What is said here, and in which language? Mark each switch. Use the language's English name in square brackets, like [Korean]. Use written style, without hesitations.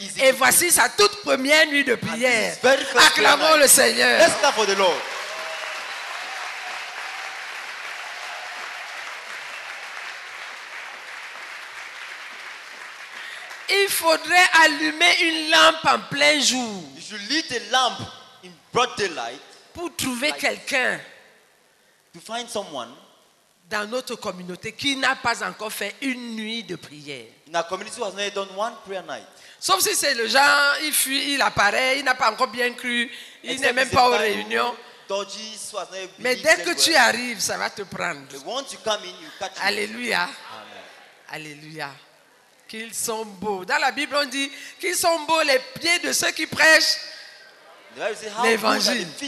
[French] Et voici sa toute première nuit de prière. Acclamons le Seigneur. [English] Let's clap for the Lord. [French] Il faudrait allumer une lampe en plein jour. [English] You should light a lamp in broad daylight. [French] Pour trouver quelqu'un. [English] To find someone. [French] Dans notre communauté qui n'a pas encore fait une nuit de prière. [English] In our community who has not done one prayer night. [French] Sauf si c'est le genre, il fuit, il apparaît, il n'a pas encore bien cru, il n'est même pas aux réunions. Mais dès que tu arrives, ça va te prendre. [English] But once you come in, you catch him. [French] Alléluia. Amen. Alléluia. Qu'ils sont beaux. Dans la Bible, on dit qu'ils sont beaux les pieds de ceux qui prêchent l'Évangile.